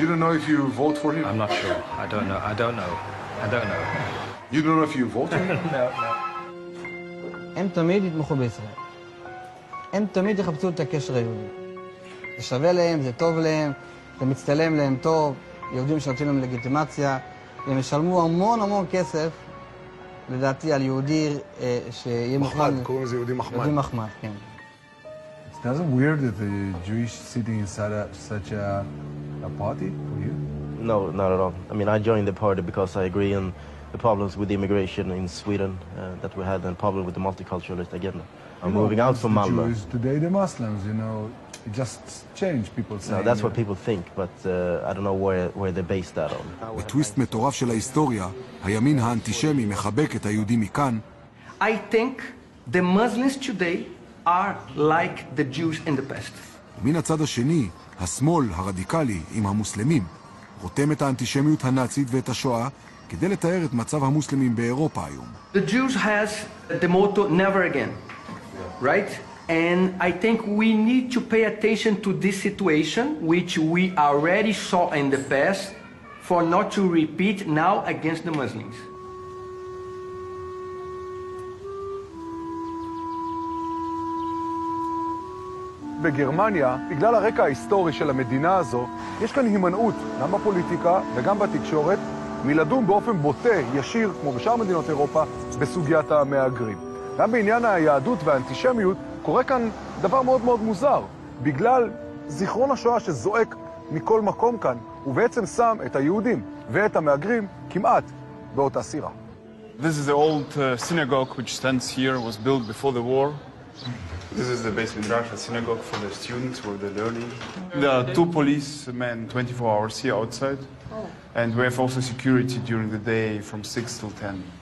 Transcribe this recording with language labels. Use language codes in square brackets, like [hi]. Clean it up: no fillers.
[en] You don't know if you vote for him? I'm not sure. I don't know. You don't know if you vote for him? No. [he] הם תמיד יתמכו בישראל. הם תמיד יחפשו את הקשר היהודי. זה שווה להם, זה טוב להם, זה מצטלם להם טוב, יהודים שנותנים להם לגיטימציה, והם ישלמו המון המון כסף, לדעתי, על יהודי שיהיה מוכן... מחמד, קוראים לזה יהודי מחמד. יהודי מחמד, כן. [en] Doesn't it weird that the Jewish sitting inside such a party for you? No, not at all. I mean, I joined the party because I agree on the problems with immigration in Sweden that we had, and problem with the multiculturalist agenda. Moving out from Malmö. Jews today, the Muslims, you know, it just changed people. No, that's what people think, but I don't know where they base that on. A twist [he] מטורף של ההיסטוריה, הימין האנטישמי מחבק את היהודים מכאן. [en] I think the Muslims today are like the Jews in the past. [he] מן הצד השני, השמאל הרדיקלי עם המוסלמים רותם את האנטישמיות הנאצית ואת השואה כדי לתאר את מצב המוסלמים באירופה היום. [en] The Jews has the motto never again, right? And I think we need to pay attention to this situation which we already saw in the past for not to repeat now against the Muslims. [he] בגרמניה, בגלל הרקע ההיסטורי של המדינה הזו, יש כאן הימנעות, גם בפוליטיקה וגם בתקשורת, מלדון באופן בוטה, ישיר, כמו בשאר מדינות אירופה, בסוגיית המאגרים. גם בעניין היהדות והאנטישמיות, קורה כאן דבר מאוד מאוד מוזר, בגלל זיכרון השואה שזועק מכל מקום כאן, ובעצם שם את היהודים ואת המאגרים כמעט באותה סירה. [en] This is the old synagogue which stands here, was built before the war. This is the basement Raphael synagogue for the students, where they're learning. There are two policemen 24 hours here outside. And we have also security during the day from 6 till 10.